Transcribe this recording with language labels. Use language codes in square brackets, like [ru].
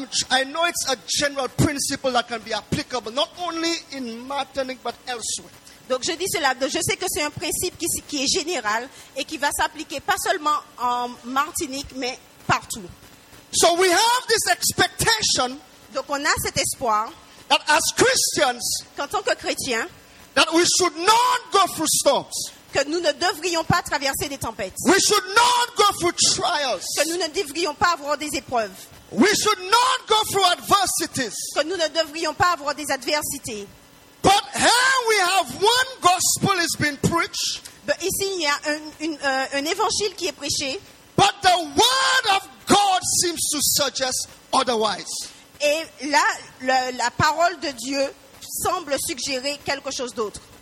[en] I know it's a general principle that can be applicable not only in Martinique but elsewhere. [fr] Donc je dis cela. Je sais que c'est un principe qui est général et qui va s'appliquer pas seulement en Martinique mais partout. [en] So we have this expectation. [fr] Donc on a cet espoir. [en] That as Christians, [fr] qu'en tant que chrétiens, [en] that we should not go through storms, [fr] que nous ne devrions pas traverser des tempêtes, [en] we should not go through trials, [fr] que nous ne devrions pas avoir des épreuves, [en] we should not go through adversities, [fr] que nous ne devrions pas avoir des adversités. [en] But here we have one gospel is being preached. [fr] But ici il y a un évangile qui est prêché. [en] But the word of God seems to suggest otherwise. [fr] Et là, la parole de Dieu semble suggérer quelque chose d'autre.